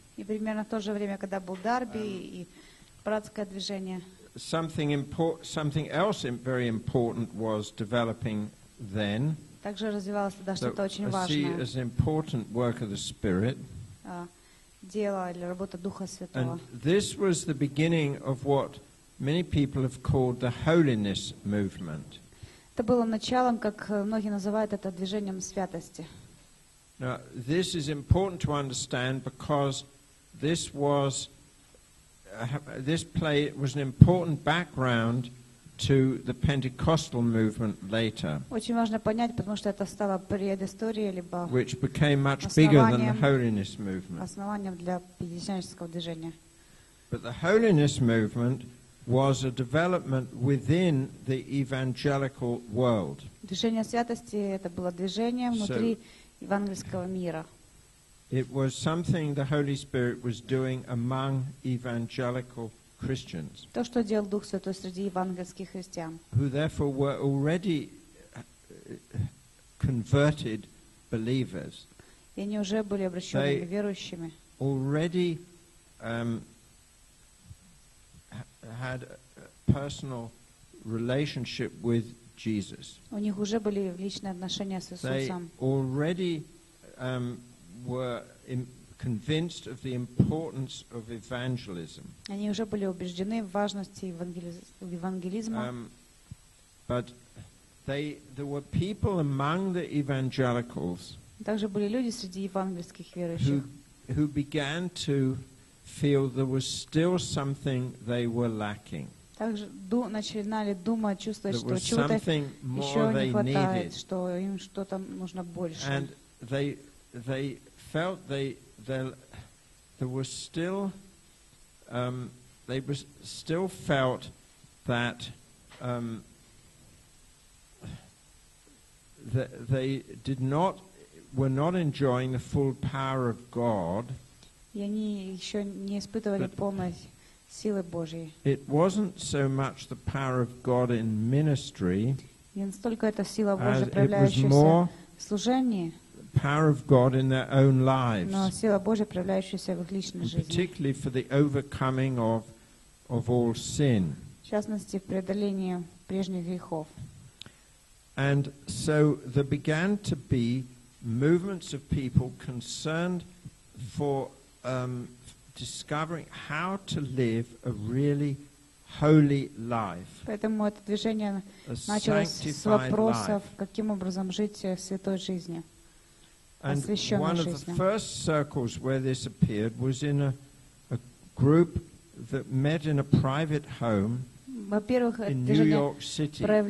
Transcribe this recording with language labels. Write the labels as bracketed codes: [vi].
[ru] И примерно в то же время, когда был Дарби и братское движение. [en] Something important, something else very important was developing then. [ru] Также развивалось тогда что-то очень важное. [en] See as important work of the Spirit. [ru] Дело или работа Духа Святого. [en] And this was the beginning of what many people have called the holiness movement. [ru] Это было началом, как многие называют это движением святости. [en] Now this is important to understand because this was. This was an important background to the Pentecostal movement later. [ru] Очень важно понять, потому что это стало предысторией либо [en] which became much bigger than the holiness movement. [ru] Основанием для пятидесятнического движения. [en] But the holiness movement was a development within the evangelical world. [ru] Движение святости это было движение внутри евангельского мира. [en] It was something the Holy Spirit was doing among evangelical Christians. [ru] То, что делал Дух Святой среди евангельских христиан. [en] Who therefore were already converted believers. [ru] И они уже были обращенными верующими. [en] Already had a personal relationship with Jesus. [ru] У них уже были личные отношения с Иисусом. [en] They already were convinced of the importance of evangelism. [ru] Они уже были убеждены в важности евангелизма. [en] But there were people among the evangelicals. [ru] Также были люди среди евангельских верующих. [en] Who began to feel there was still something they were lacking. [ru] Также начинали думать, чувствовать, что чего-то еще не хватает, что им что-то нужно больше. [en] And they felt they were not enjoying the full power of God. [ru] И они еще не испытывали полной силы Божьей. [en] It wasn't so much the power of God in ministry. [ru] Не столько это сила Божья, проявляющаяся в служении. [en] Power of God in their own lives. [ru] Но сила Божья проявляющаяся в их личной жизни. [en] Particularly for the overcoming of all sin. [ru] В частности, в преодолении прежних грехов. [en] And so there began to be movements of people concerned for discovering how to live a really holy life. [ru] Поэтому это движение началось с вопросов, каким образом жить святой жизнью. [en] And one of the first circles where this appeared was in a group that met in a private home in New York City